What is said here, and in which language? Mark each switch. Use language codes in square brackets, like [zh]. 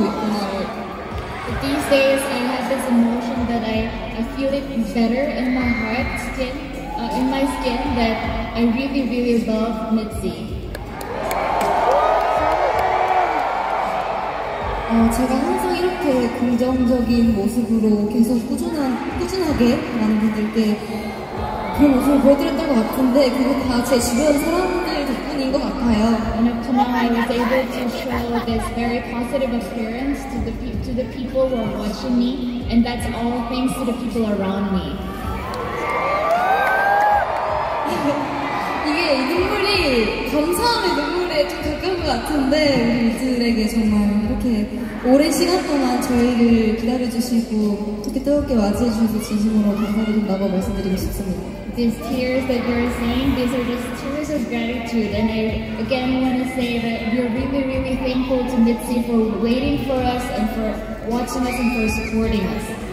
[en] But these days, I have this emotion that I feel it better in my heart, in my skin, that I really, really love MITZY. [ko] 제가 항상 이렇게 긍정적인 모습으로 계속 꾸준하게 많은 분들께 그런 모습을 보여드렸던 것 같은데 그게 다 제 주변 사람들 덕분인 것 같아요. [en] And up to now, I was able to show this very positive appearance to the people who are watching me, and that's all thanks to the people around me. [ko] 이게 이 눈물이 감사함의 눈물에 좀 가까운 것 같은데 우리 이들에게 정말 이렇게 오랜 시간 동안 저희를 기다려주시고 이렇게 뜨겁게 맞이해주셔서 진심으로 감사드린다고 말씀드리고 싶습니다. [en] These tears that you're seeing, these are just tears of gratitude. And I again want to say that we're really, really thankful to MITZY for waiting for us and for watching us and for supporting us.